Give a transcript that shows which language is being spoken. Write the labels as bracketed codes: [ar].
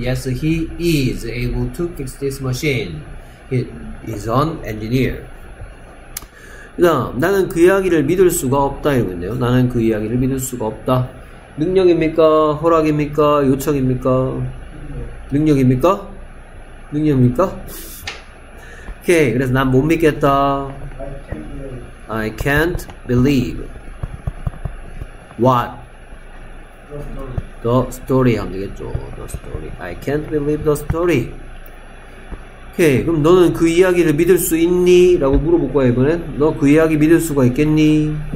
[en] Yes, he is able to fix this machine. He is an engineer. [ko] 그다음 나는 그 이야기를 믿을 수가 없다 이러고 있네요. 나는 그 이야기를 믿을 수가 없다. 능력입니까? 허락입니까? 요청입니까? 능력입니까? 능력입니까? 오케이. 그래서 난 못 믿겠다. [en] I can't believe what the story [ko] 하면 되겠죠. [en] The story. I can't believe the story. [ko] 오케이. 그럼 너는 그 이야기를 믿을 수 있니? 라고 물어볼 거야 이번엔. 너 그 이야기 믿을 수가 있겠니?